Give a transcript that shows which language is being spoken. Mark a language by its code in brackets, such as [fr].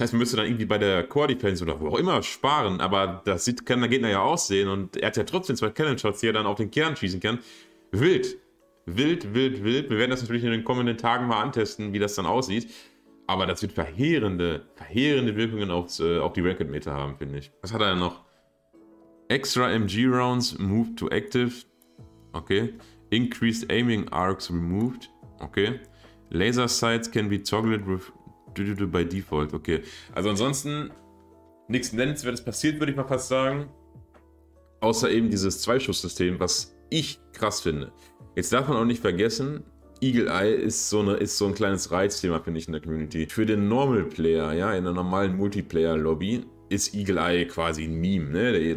[de] Das heißt, man müsste dann irgendwie bei der Core Defense oder wo auch immer sparen, aber das kann der Gegner ja aussehen und er hat ja trotzdem zwei Cannon Shots, die er dann auf den Kern schießen kann. Wild! Wild, wild, wild. Wir werden das natürlich in den kommenden Tagen mal antesten, wie das dann aussieht. Aber das wird verheerende, verheerende Wirkungen auf die Record-Meter haben, finde ich. Was hat er denn noch? [en] Extra MG Rounds, Move to Active. Okay. Increased Aiming Arcs removed. Okay. Laser Sights can be toggled with by default. Okay. [de] Also ansonsten, nichts Nennenswertes passiert, würde ich mal fast sagen. Außer eben dieses Zweischuss-System, was ich krass finde. Jetzt darf man auch nicht vergessen, Eagle Eye ist so ein kleines Reizthema, finde ich, in der Community. Für den Normal Player, ja, in der normalen Multiplayer-Lobby, ist Eagle Eye quasi ein Meme. Ne?